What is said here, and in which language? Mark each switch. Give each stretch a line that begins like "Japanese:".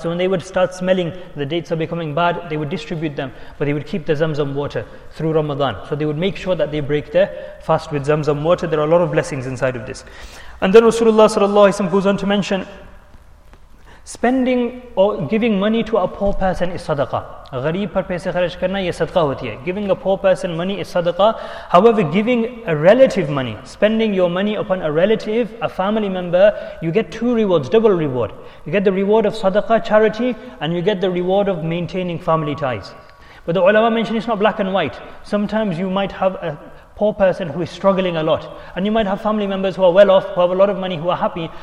English: So when they would start smelling the dates are becoming bad, they would distribute them, but they would keep the zamzam water through Ramadan. So they would make sure that they break their fast with zamzam water. There are a lot of blessings inside of this. And then Rasulullah sallallahu alaihi wasallam goes on to mention, spending or giving money to a poor person is sadaqah.
Urdu: غریب پر پیسے خرچ کرنا یہ صدقہ ہوتی ہے.
English: Giving a poor person money is sadaqah. However, giving a relative money, spending your money upon a relative, a family member, you get two rewards, double reward. You get the reward of sadaqah, charity, and you get the reward of maintaining family ties. But the ulama mentioned it's not black and white. Sometimes you might have a poor person who is struggling a lot, and you might have family members who are well off, who have a lot of money, who are happy.